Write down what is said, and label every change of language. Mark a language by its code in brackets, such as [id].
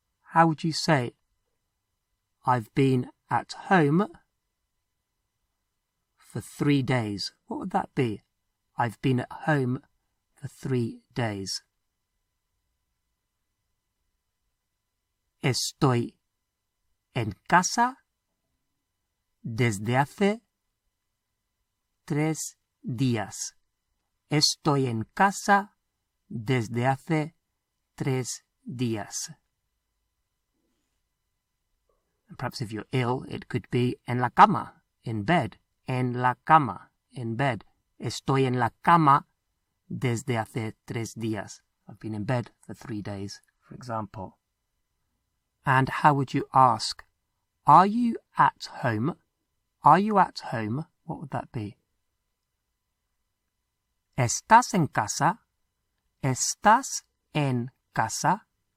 [en] How would you say, I've been at home for 3 days? What would that be? I've been at home for 3 days. [es] Estoy en casa desde hace 3 días. Estoy en casa desde hace 3 días. [en] And perhaps if you're ill, it could be [es] en la cama, [en] in bed. [es] En la cama, [en] in bed. [es] Estoy en la cama desde hace 3 días. [en] I've been in bed for 3 days, for example. And how would you ask, are you at home? Are you at home? What would that be? [es] Estás en casa. Estás en casa.